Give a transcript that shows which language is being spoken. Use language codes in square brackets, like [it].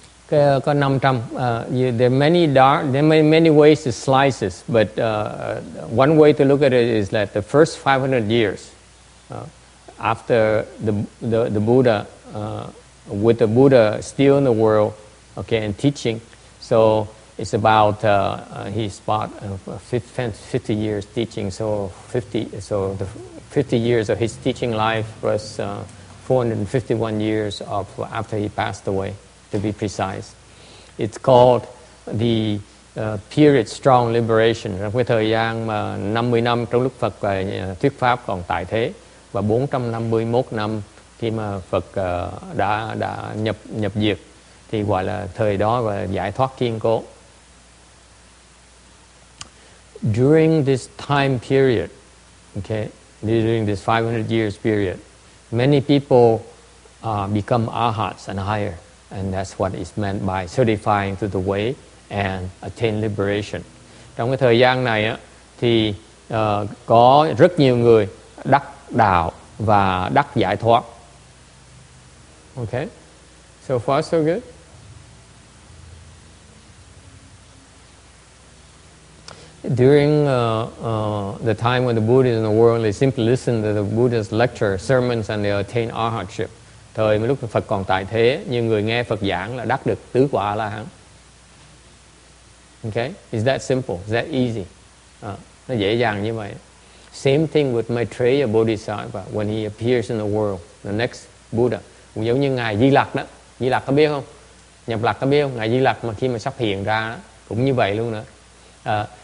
[en] Có 500. There are many many ways to slice this, but one way to look at it is that the first 500 years after the Buddha, with the Buddha still in the world, okay, and teaching, so it's about he's about 50 years teaching. So 50. So the 50 years of his teaching life plus 451 years of after he passed away. To be precise, it's called the period strong liberation. [vi] Cái thời gian mà 50 năm trong lúc Phật thuyết pháp còn tại thế và 451 năm khi mà Phật đã nhập diệt thì gọi là thời đó và giải thoát kiên cố. [en] During this time period, okay, during this 500 years period, many people become arhats and higher. And that's what is meant by certifying to the way and attain liberation. [vi] Trong cái thời gian này á, thì có rất nhiều người đắc đạo và đắc giải thoát. [en] Okay, so far so good. During the time when the Buddha is in the world, they simply listen to the Buddha's lecture, sermons, and they attain arhatship. [vi] Thời lúc Phật còn tại thế, nhiều người nghe Phật giảng là đắc được tứ quả la hán. [en] Okay? Is that simple? Is that easy? [vi] Nó dễ dàng như vậy. [en] Same thing with Maitreya Bodhisattva when he appears in the world, the next Buddha. [vi] Giống như Ngài Di Lặc đó. Di Lặc có biết không? Nhập Lặc có biết không? Ngài Di Lặc mà khi mà sắp hiện ra đó, cũng như vậy luôn đó.